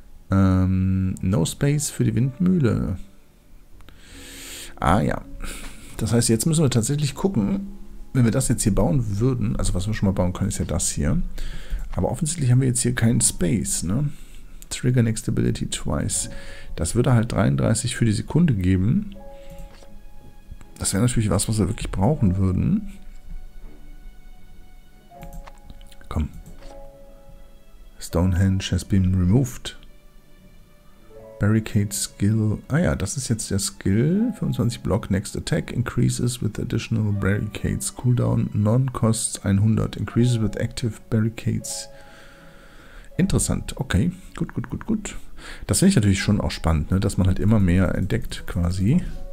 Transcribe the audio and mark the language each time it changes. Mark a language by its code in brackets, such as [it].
[en] No Space [de] für die Windmühle. Ah ja. Das heißt, jetzt müssen wir tatsächlich gucken, wenn wir das jetzt hier bauen würden. Also was wir schon mal bauen können, ist ja das hier. Aber offensichtlich haben wir jetzt hier keinen Space, ne? [en] Trigger Next Ability Twice. [de] Das würde halt 33 für die Sekunde geben. Das wäre natürlich was, was wir wirklich brauchen würden. Komm. [en] Stonehenge has been removed. Barricade Skill. [de] Ah ja, das ist jetzt der Skill. [en] 25 Block Next Attack increases with additional Barricades. Cooldown non-costs 100. Increases with active Barricades. [de] Interessant. Okay, gut, gut, gut, gut. Das finde ich natürlich schon auch spannend, ne? Dass man halt immer mehr entdeckt quasi.